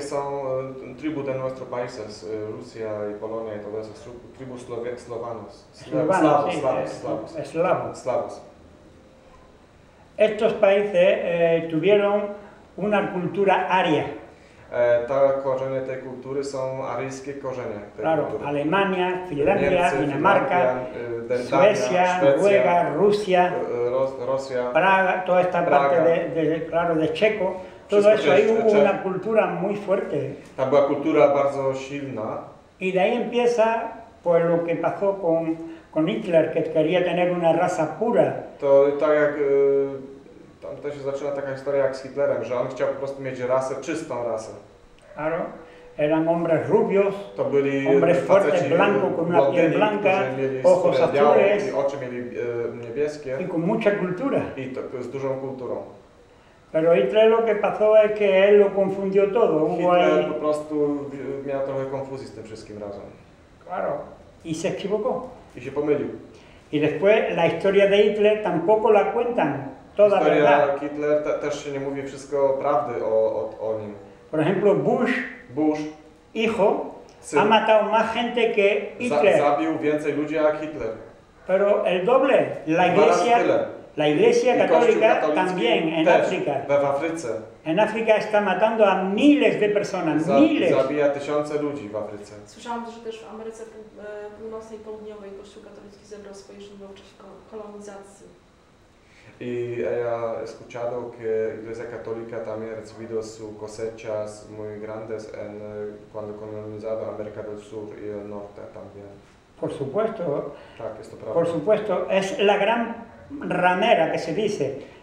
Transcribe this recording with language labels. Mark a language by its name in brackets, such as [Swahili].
[Spanish] son tribu de nuestro país, Rusia y Polonia y todo eso, tribu slovianos. Slovanos, slavos. Estos países tuvieron una cultura aria. [Polish] Te korzenie tej kultury są aryjskie korzenie. [Spanish] Claro, [Polish] kultury. [Spanish] Alemania, Finlandia, Dinamarka, Suecja, Noruega, Rusia, [Polish] Rosja, [Spanish] Praga, toda esta [Polish] Praga. [Spanish] Parte claro, de Checo, todo eso, ahí hubo una cultura muy fuerte. [Polish] Ta była kultura bardzo silna. [Spanish] Y de ahí empieza pues, lo que pasó con con Hitler, que quería tener una raza pura. [Polish] To tak jak tam też się zaczyna taka historia jak z Hitlerem, że on chciał po prostu mieć rasę, czystą rasę. [Spanish] Aro? Eran hombres rubios, [Polish] to byli [Spanish] hombres fuertes, blancos, con una piel blanca, ojos azules, [Polish] i oczy mieli niebieskie, [Spanish] y con mucha cultura. [Polish] I to, to jest dużą kulturą. [Spanish] Pero Hitler lo que pasó es que él lo confundió todo. [Polish] Hitler po prostu miał trochę konfuzji z tym wszystkim razem. [Spanish] Claro. Y se equivocó. [Polish] I się pomylił. [Spanish] Y después la historia de Hitler tampoco la cuentan toda historia verdad. [Polish] Historia Hitler też się nie mówi wszystko prawdy o nim. [Spanish] Por ejemplo, Bush, hijo, ha matado más gente que Hitler. [Polish] Zabił więcej ludzi jak Hitler. [Spanish] Pero el doble, la iglesia católica también en África. [Polish] W Afryce. [Spanish] En África está matando a miles de personas, miles. [Polish] Zabija tysiące ludzi w Afryce. Słyszałam, że też w Ameryce Północnej i Południowej Kościół katolicki zebrał swoje źródła w czasie kolonizacji. [Spanish] Y he escuchado que la Iglesia Católica también ha recibido sus cosechas muy grandes en, cuando colonizaba América del Sur y el Norte también. Por supuesto. [Polish] Tak, esto prawda. [Spanish] Por supuesto, es la gran ramera que se dice.